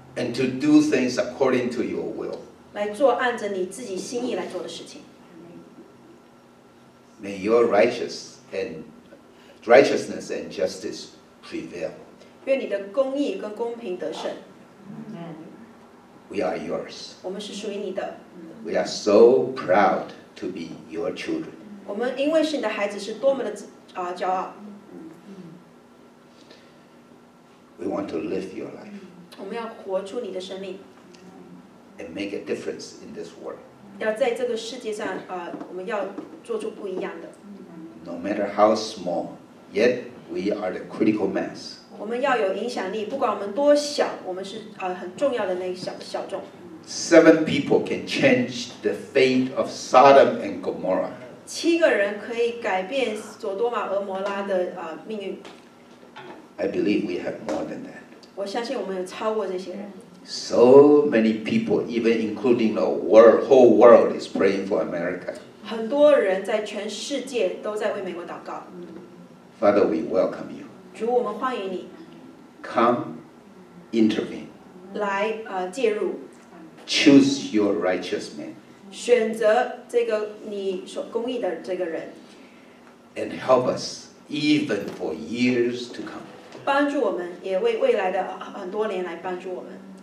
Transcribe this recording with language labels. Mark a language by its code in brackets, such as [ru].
[en] And to do things according to your will. [zh] 来做按着你自己心意来做的事情。 [en] May your righteousness and justice prevail. [zh] 愿你的公义跟公平得胜。 [en] We are yours. [zh] 我们是属于你的。 [en] We are so proud to be your children. [zh] 我们因为是你的孩子，是多么的骄傲。 [en] We want to live your life. [zh] 我们要活出你的生命。 [en] And make a difference in this world. [zh] 要在这个世界上我们要做出不一样的。 [en] No matter how small, yet we are the critical mass. [zh] 我们要有影响力，不管我们多小，我们是很重要的那小众。 [en] 7 people can change the fate of Sodom and Gomorrah. [zh] 七个人可以改变索多玛、俄摩拉的命运。 [en] I believe we have more than that. [zh] 我相信我们有超过这些人。 [en] So many people, even including the whole world, is praying for America. [zh] 很多人在全世界都在为美国祷告。 [en] Father, we welcome you. [zh] 主，我们欢迎你。 [en] Come, intervene. [zh] 来介入。 [en] Choose your righteous man. [zh] 选择这个你所公义的这个人 [en] ，and help us even for years to come. [zh] 帮助我们，也为未来的很多年来帮助我们。